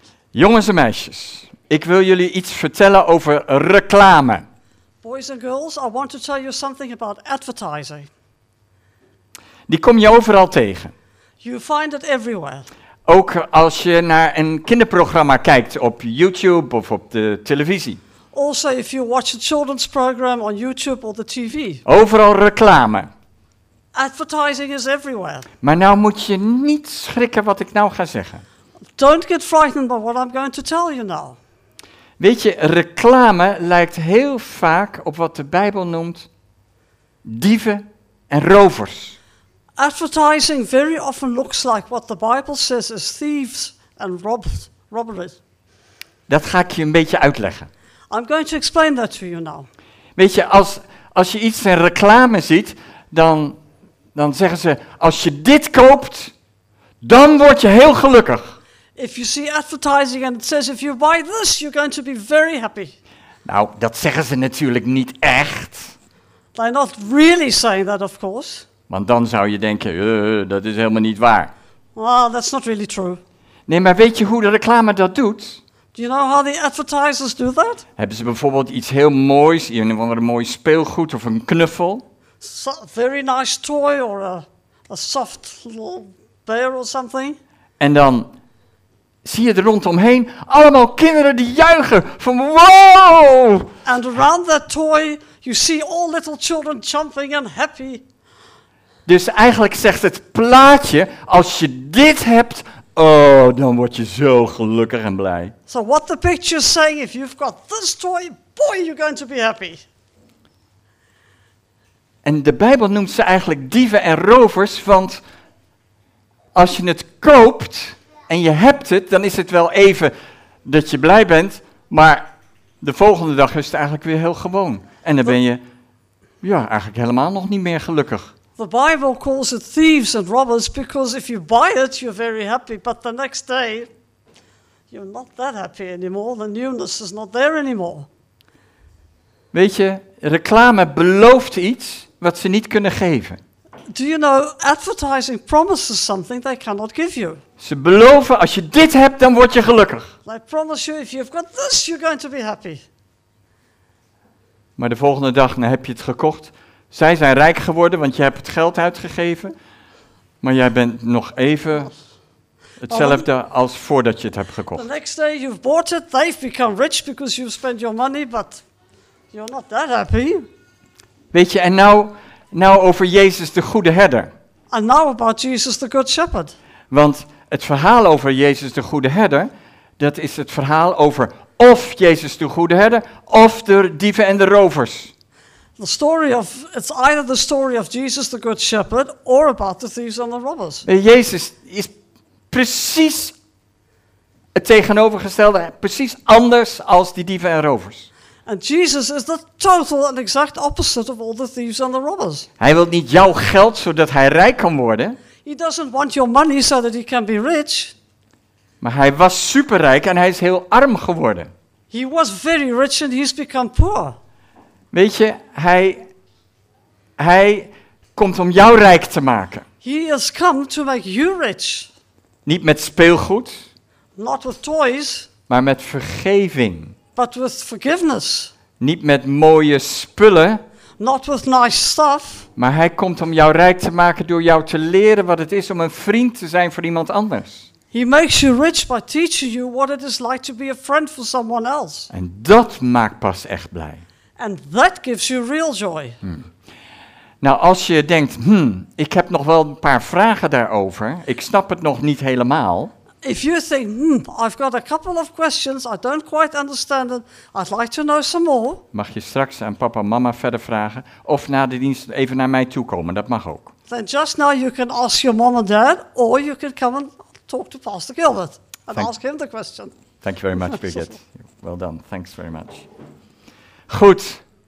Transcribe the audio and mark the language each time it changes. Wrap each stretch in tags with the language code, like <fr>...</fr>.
<nl>Jongens en meisjes, ik wil jullie iets vertellen over reclame.</nl> <en>Boys and girls, I want to tell you something about advertising.</en> <nl>Die kom je overal tegen.</nl> <en>You find it everywhere.</en> <nl>Ook als je naar een kinderprogramma kijkt op YouTube of op de televisie.</nl> <en>Also if you watch a children's program on YouTube or the TV.</en> <nl>Overal reclame.</nl> <en>Advertising is everywhere.</en> <nl>Maar nou moet je niet schrikken wat ik nou ga zeggen.</nl> <en>Don't get frightened by what I'm going to tell you now.</en> <nl>Weet je, reclame lijkt heel vaak op wat de Bijbel noemt dieven en rovers.</nl> <en>Advertising very often looks like what the Bible says is thieves and robbers.</en> <nl>Dat ga ik je een beetje uitleggen.</nl> <en>I'm going to explain that to you now.</en> <nl>Weet je, als je iets in reclame ziet, dan zeggen ze, als je dit koopt, dan word je heel gelukkig.</nl> <en>If you see advertising and it says if you buy this, you're going to be very happy.</en> <nl>Nou, dat zeggen ze natuurlijk niet echt.</nl> <en>They're not really saying that, of course.</en> <nl>Want dan zou je denken, dat is helemaal niet waar.</nl> <en>Well, that's not really true.</en> <nl>Nee, maar weet je hoe de reclame dat doet?</nl> <en>Do you know how the advertisers do that?</en> <nl>Hebben ze bijvoorbeeld iets heel moois, een of andere mooi speelgoed of een knuffel?</nl> <en>Very nice toy or a soft little bear or something.</en> <nl>En dan zie je er rondomheen allemaal kinderen die juichen van wow!</nl> <en>And around that toy you see all little children jumping and happy.</en> <nl>Dus eigenlijk zegt het plaatje, als je dit hebt, oh, dan word je zo gelukkig en blij.</nl> <en>So what the picture is saying, if you've got this toy, boy, you're going to be happy.</en> <nl>En de Bijbel noemt ze eigenlijk dieven en rovers, want als je het koopt en je hebt het, dan is het wel even dat je blij bent, maar de volgende dag is het eigenlijk weer heel gewoon. En dan ben je eigenlijk helemaal nog niet meer gelukkig.</nl> <en>The Bible calls it thieves and robbers because if you buy it, you're very happy. But the next day, you're not that happy anymore. The newness is not there anymore.</en> <nl>Weet je, reclame belooft iets wat ze niet kunnen geven.</nl> <en>Do you know, advertising promises something they cannot give you.</en> <nl>Ze beloven, als je dit hebt, dan word je gelukkig.</nl> <en>They promise you, if you've got this, you're going to be happy.</en> <nl>Maar de volgende dag, dan heb je het gekocht. Zij zijn rijk geworden, want je hebt het geld uitgegeven. Maar jij bent nog even hetzelfde als voordat je het hebt gekocht.</nl> <en>The next day you've bought it, they've become rich because you've spent your money, but you're not that happy.</en> <nl>Weet je, en nou over Jezus de goede herder.</nl> <en>And now about Jesus the good shepherd.</en> <nl>Want het verhaal over Jezus de goede herder, dat is het verhaal over of Jezus de goede herder, of de dieven en de rovers.</nl> <en>It's either the story of Jesus the good shepherd or about the thieves and the robbers.</en> <nl>Jezus is precies het tegenovergestelde, precies anders als die dieven en rovers.</nl> <en>And Jesus is the total and exact opposite of all the thieves and the robbers.</en> <nl>Hij wil niet jouw geld zodat hij rijk kan worden.</nl> <en>He doesn't want your money so that he can be rich.</en> <nl>Maar hij was superrijk en hij is heel arm geworden.</nl> <en>He was very rich and he's become poor.</en> <nl>Weet je, hij komt om jou rijk te maken.</nl> <en>He has come to make you rich.</en> <nl>Niet met speelgoed.</nl> <en>Not with toys.</en> <nl>Maar met vergeving.</nl> <en>But with forgiveness.</en> <nl>Niet met mooie spullen.</nl> <en>Not with nice stuff.</en> <nl>Maar hij komt om jou rijk te maken door jou te leren wat het is om een vriend te zijn voor iemand anders.</nl> <en>He makes you rich by teaching you what it is like to be a friend for someone else.</en> <nl>En dat maakt pas echt blij.</nl> <en>And that gives you real joy.</en> <nl>Nou, als je denkt, ik heb nog wel een paar vragen daarover. Ik snap het nog niet helemaal.</nl> <en>If you think, I've got a couple of questions, I don't quite understand it. I'd like to know some more.</en> <nl>Mag je straks aan papa en mama verder vragen of na de dienst even naar mij toe komen. Dat mag ook.</nl> <en>Then just now you can ask your mom and dad or you can come and talk to Pastor Gilbert and ask him the question. Thank you very much, Bridget. Well done. Thanks very much.</en> <nl>Goed.</nl>